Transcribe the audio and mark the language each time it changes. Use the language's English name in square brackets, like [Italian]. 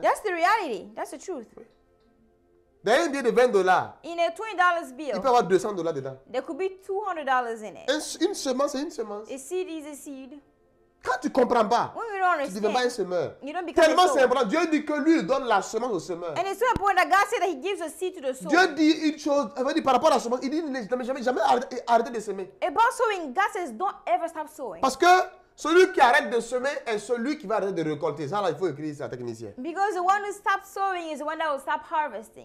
[English] That's the reality. That's the truth. [French] Dans un billet de $20, [English] in a $20 bill, [French] il peut y avoir $200 dedans. [English] There could be $200 in it. [French] Une semence, c'est une semence. [English] A seed is a seed. [French] Quand tu ne comprends pas, [English] when you don't understand, [French] tu ne deviens pas un semeur. [English] You don't become [French] tellement [English] a [French] c'est important. Dieu dit que lui donne la semence au semeur. [English] And it's so important that God said that he gives a seed to the sower. [French] Dieu dit une chose, en fait, par rapport à la semence, il dit ne jamais arrêter de semer. [English] About sowing, God says don't ever stop sowing. [French] Parce que celui qui arrête de semer est celui qui va arrêter de récolter. Ça, là, il faut écrire ça, technicien. [English] Because the one who stops sowing is the one that will stop harvesting.